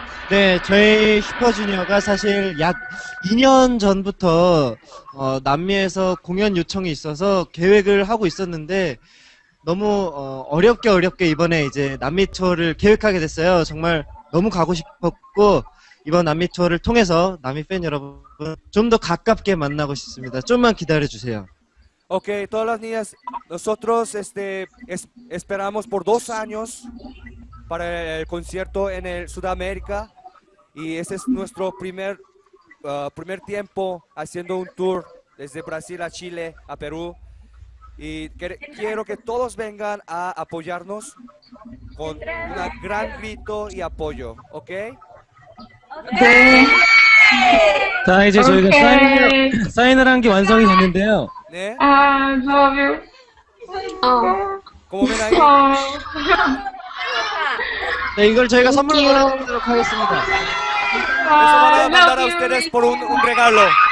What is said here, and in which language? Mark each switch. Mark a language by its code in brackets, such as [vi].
[ko] 네, 저희 슈퍼주니어가 사실 약 2년 전부터 남미에서 공연 요청이 있어서 계획을 하고 있었는데 너무 어렵게 이번에 이제 남미 투어를 계획하게 됐어요. 정말 너무 가고 싶었고 이번 남미 투어를 통해서 남미 팬 여러분 좀 더 가깝게 만나고 싶습니다. 좀만 기다려 주세요. [es] Okay, todas las niñas, nosotros esperamos por dos años para el concierto en el Sudamérica y ese es nuestro primer tiempo haciendo un tour desde Brasil a Chile a Perú. Y quiero que todos vengan a apoyarnos con un gran grito y apoyo, ¿ok? [en] Okay. [ko] 자 이제 okay. 저희가 사인을 한 게 완성이 됐는데요. 네. [en] I love you. [ko] 고마워. 네, 이걸 저희가 선물로 드리도록 하겠습니다. [es] Vamos a mandar a ustedes por un regalo.